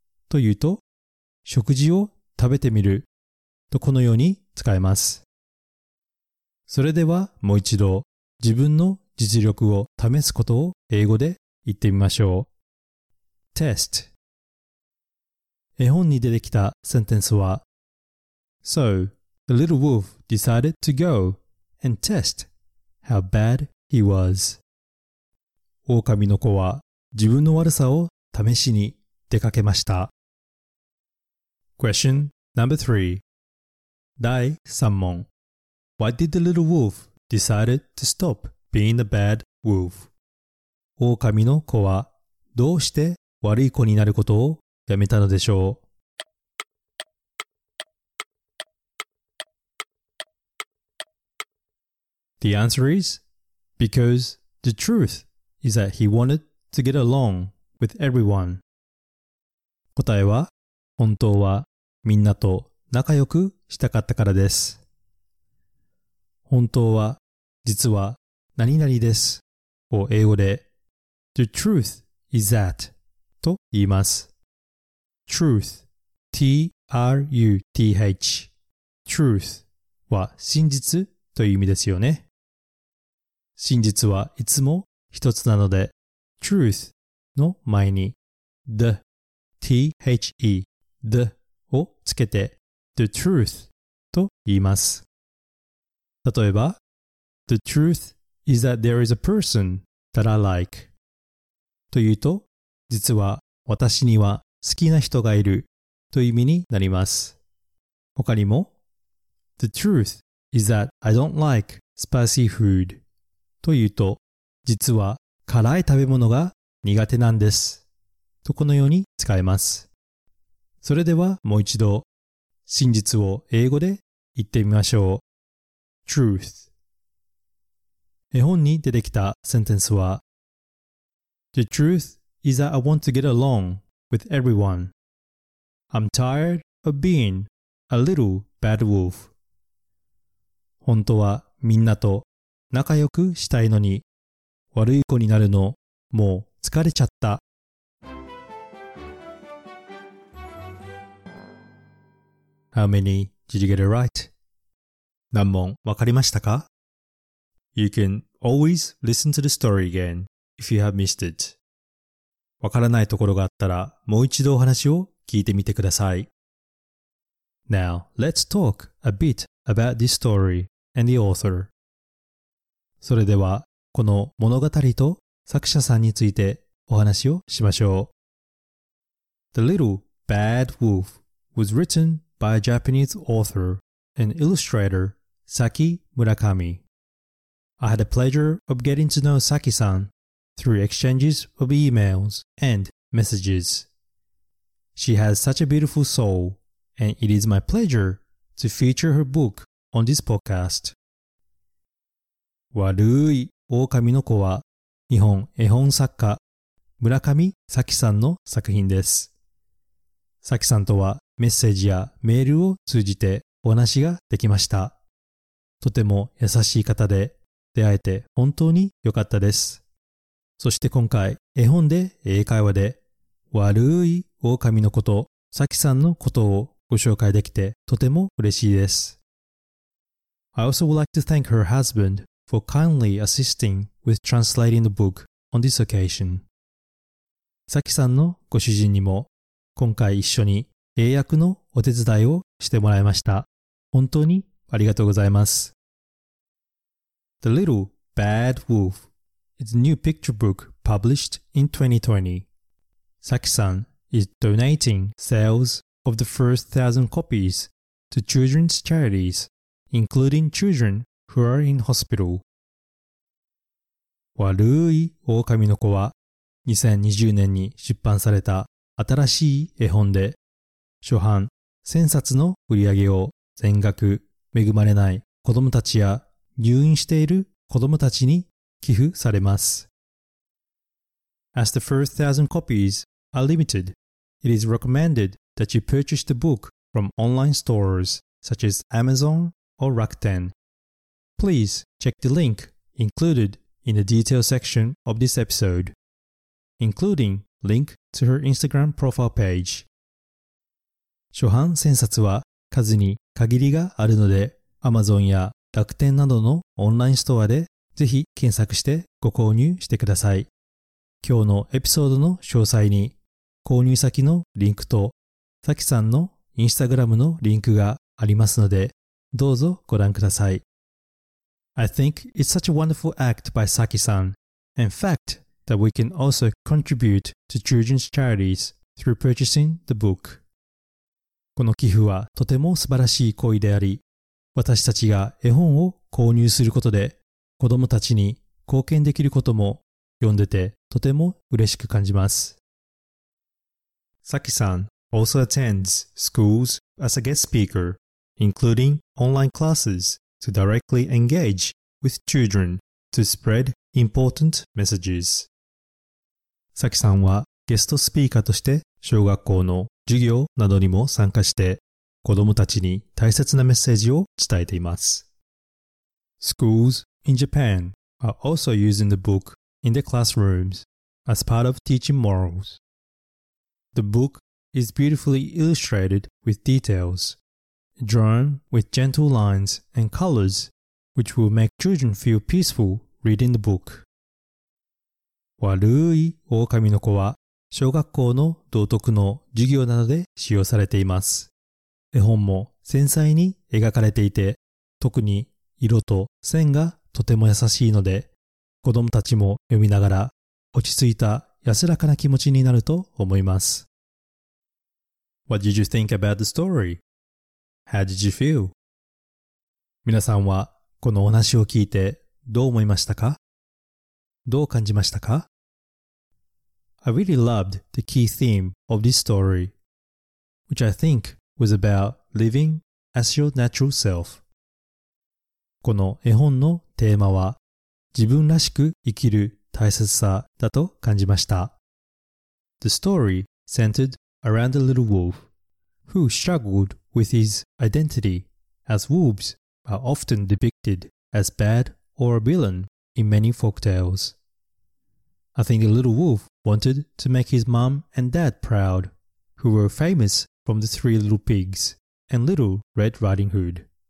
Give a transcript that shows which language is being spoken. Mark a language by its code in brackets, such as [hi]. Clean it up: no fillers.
[ja] というと、食事を食べてみるとこのように使えます。それではもう一度、自分の実力を試すことを英語で言ってみましょう。 [en] Test [ja] 絵本に出てきたセンテンスは、 [en] So,The little wolf decided to go and test how bad he was. [ja] 狼の子は自分の悪さを試しに出かけました。 [en] Question number 3. [ja] 第3問。 [en] Why did the little wolf decided to stop being a bad wolf? [ja] 狼の子はどうして悪い子になることをやめたのでしょう? [en] The answer is because the truth is that he wanted to get along with everyone. [ja] 答えは本当はみんなと仲良くしたかったからです。本当は実は何々ですを英語で [en] The truth is that [ja] と言います。 [en] Truth, [ja] T-R-U-T-H Truth は真実という意味ですよね。真実はいつも一つなので、 [en] truth [ja] の前に the, T-H-E, the をつけて [en] the truth [ja] と言います。例えば、 [en] the truth is that there is a person that I like [ja] というと、実は私には好きな人がいるという意味になります。他にも、 [en] the truth is that I don't like spicy food. [ja] というと、実は辛い食べ物が苦手なんです。とこのように使えます。それではもう一度、真実を英語で言ってみましょう。 [en] Truth [ja] 絵本に出てきたセンテンスは、 [en] The truth is that I want to get along with everyone. I'm tired of being a little bad wolf. [ja] 本当はみんなと、仲良くしたいのに悪い子になるのもう疲れちゃった。 [en] How many did you get it right? [ja] 何問分かりましたか? [en] You can always listen to the story again if you have missed it. [ja] 分からないところがあったらもう一度お話を聞いてみてください。 [en] Now, let's talk a bit about this story and the author. [ja] それでは、この物語と作者さんについてお話をしましょう。 [en] The Little Bad Wolf was written by a Japanese author and illustrator Saki Murakami. I had the pleasure of getting to know Saki-san through exchanges of emails and messages. She has such a beautiful soul, and it is my pleasure to feature her book on this podcast. [ja] 悪い狼の子は日本絵本作家村上咲希さんの作品です。咲希さんとはメッセージやメールを通じてお話ができました。とても優しい方で出会えて本当に良かったです。そして今回絵本で英会話で悪い狼のこと、サキさんのことをご紹介できてとても嬉しいです。 [en] I also would like to thank her husband for kindly assisting with translating the book on this occasion. [ja] サキさんのご主人にも今回一緒に英訳のお手伝いをしてもらいました。本当にありがとうございます。 [en] The Little Bad Wolf is a new picture book published in 2020. Saki-san is donating sales of the first 1,000 copies to children's charities, including children who are in hospital. [ja] 悪い狼の子は2020年に出版された新しい絵本で、初版1000冊の売り上げを全額恵まれない子供たちや入院している子供たちに寄付されます。 [en] As the first 1,000 copies are limited, it is recommended that you purchase the book from online stores such as Amazon or Rakuten. Please check the link included in the detail section of this episode, including link to her Instagram profile page. [ja] 初版1000冊は数に限りがあるので、Amazon や楽天などのオンラインストアでぜひ検索してご購入してください。今日のエピソードの詳細に購入先のリンクとサキさんのインスタグラムのリンクがありますので、どうぞご覧ください。 [en] I think it's such a wonderful act by Saki-san. In fact, that we can also contribute to children's charities through purchasing the book. [ja] この寄付はとても素晴らしい行為であり、私たちが絵本を購入することで子供たちに貢献できることも読んでてとても嬉しく感じます。 [en] Saki-san also attends schools as a guest speaker, including online classes to directly engage with children to spread important messages. [ja] Saki-san はゲストスピーカーとして小学校の授業などにも参加して子供たちに大切なメッセージを伝えています。 [en] Schools in Japan are also using the book in their classrooms as part of teaching morals. The book is beautifully illustrated with details, drawn with gentle lines and colors, which will make children feel peaceful reading the book. [ja] 悪い狼の子は小学校の道徳の授業などで使用されています。絵本も繊細に描かれていて、特に色と線がとても優しいので、子供たちも読みながら落ち着いた安らかな気持ちになると思います。 [en] What did you think about the story? How did you feel? [ja] 皆さんはこのお話を聞いてどう思いましたか？どう感じましたか？ [en] I really loved the key theme of this story, which I think was about living as your natural self. [ja] この絵本のテーマは自分らしく生きる大切さだと感じました。 [en] The story centered around the little wolf, who struggled with his identity, as wolves are often depicted as bad or a villain in many folk tales. I think the little wolf wanted to make his mom and dad proud, who were famous from the Three Little Pigs and Little Red Riding Hood.